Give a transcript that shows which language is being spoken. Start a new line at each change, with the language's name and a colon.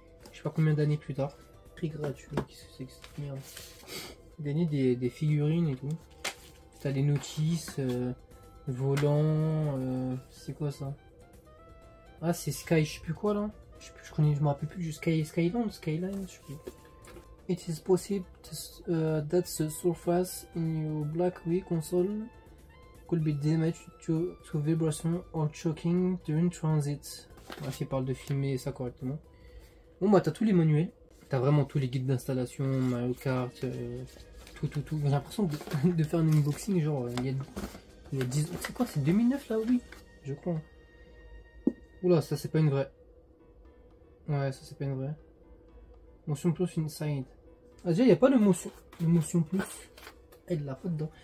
French: Je sais pas combien d'années plus tard. Prix gratuit. Qu'est-ce que c'est que cette merde ? Gagner des figurines et tout. T'as des notices, volant, c'est quoi ça? Ah, c'est Sky, je sais plus quoi là. Je me rappelle plus du Skyland, Skyline, je sais plus.
English: It is possible to, that the surface in your black Wii console could be damaged to vibration or choking during transit.
French: Ah, s'il parle de filmer ça correctement. Bon, bah, t'as tous les manuels. T'as vraiment tous les guides d'installation, Mario Kart. Tout. J'ai l'impression de faire un unboxing genre il y a 10 ans. C'est quoi, c'est 2009 là? Oui, je crois. Oula, ça c'est pas une vraie. Ouais, ça c'est pas une vraie. Motion plus inside. Ah, déjà, il n'y a pas de motion. Le motion plus. Elle l'a pas dedans.